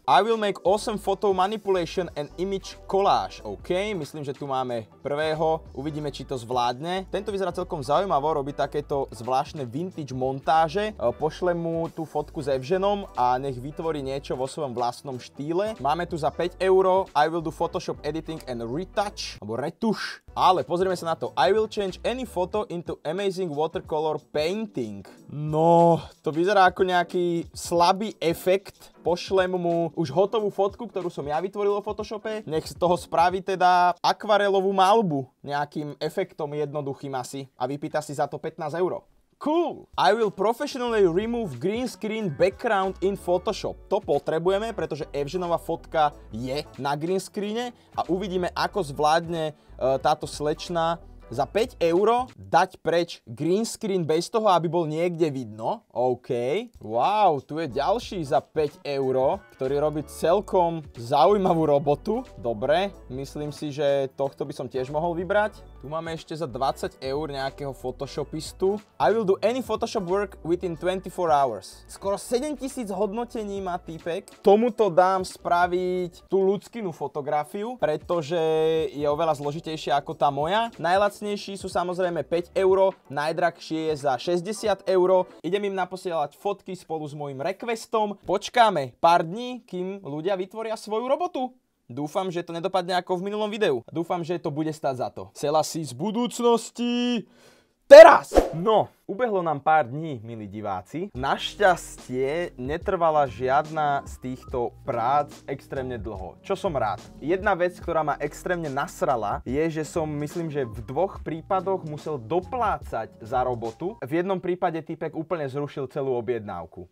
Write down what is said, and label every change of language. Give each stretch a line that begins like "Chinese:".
English: I will make awesome photo manipulation and image collage.
Slovak: OK, myslím, že tu máme prvého, uvidíme, či to zvládne. Tento vyzerá celkom zaujímavo, robí takéto zvláštne vintage montáže. Pošlem mu tú fotku s Evženom a nech vytvorí niečo vo svojom vlastnom štýle. Máme tu za 5 euro,
English: I will do Photoshop editing and retouch,
Slovak: alebo retuš. Ale pozrieme sa na to.
English: I will change any photo into amazing watercolor painting.
Slovak: No, to vyzerá ako nejaký slabý efekt. Pošlem mu už hotovú fotku, ktorú som ja vytvoril vo Photoshope. Nech z toho spraví teda akvarelovú malbu. Nejakým efektom jednoduchým asi. A vypýta si za to 15 euro.
English: Cool. I will professionally remove green screen background in Photoshop.
Slovak: To potrebujeme, pretože Evženova fotka je na green screene a uvidíme, ako zvládne táto slečna za 5 euro dať preč green screen bez toho, aby bol niekde vidno. OK. Wow, tu je ďalší za 5 euro, ktorý robí celkom zaujímavú robotu. Dobre, myslím si, že tohto by som tiež mohol vybrať. Tu máme ešte za 20 eur nejakého photoshopistu.
English: I will do any photoshop work within 24 hours.
Slovak: Skoro 7000 hodnotení má týpek. Tomuto dám spraviť tú ľudskinu fotografiu, pretože je oveľa zložitejšia ako tá moja. Najlacnejší sú samozrejme 5 euro, najdrahšie je za 60 euro. Idem im naposielať fotky spolu s môjim requestom. Počkáme pár dní, kým ľudia vytvoria svoju robotu. Dúfam, že to nedopadne ako v minulom videu. Dúfam, že to bude stáť za to. Chcela si z budúcnosti... Teraz! No, ubehlo nám pár dní, milí diváci. Našťastie netrvala žiadna z týchto prác extrémne dlho. Čo som rád. Jedna vec, ktorá ma extrémne nasrala, je, že som, myslím, že v dvoch prípadoch musel doplácať za robotu. V jednom prípade týpek úplne zrušil celú objednávku.